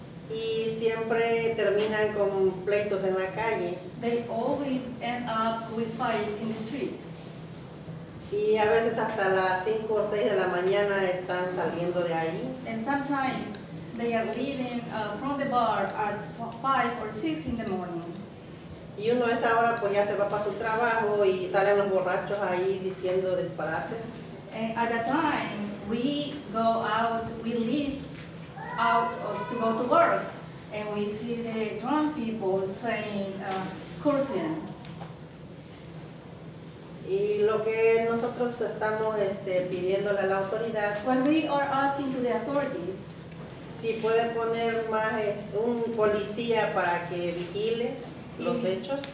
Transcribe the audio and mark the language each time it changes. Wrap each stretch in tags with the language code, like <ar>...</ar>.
<es>Y siempre terminan con pleitos en la calle.</es> <en>They always end up with fights in the street.</en> <es>Y a veces hasta las 5 o 6 de la mañana están saliendo de ahí.</es> <en>And sometimes they are leaving from the bar at 5 or 6 in the morning.</en> <es>Y uno a esa hora pues ya se va para su trabajo y salen los borrachos ahí diciendo disparates.</es> <en>And at that time we go out, we leave out to go to work, and we see the drunk people saying cursing.</en> <es>Y lo que nosotros estamos pidiéndole a la autoridad.</es> <en>When we are asking to the authorities,</en> <es>si pueden poner más un policía para que vigile los hechos.</es>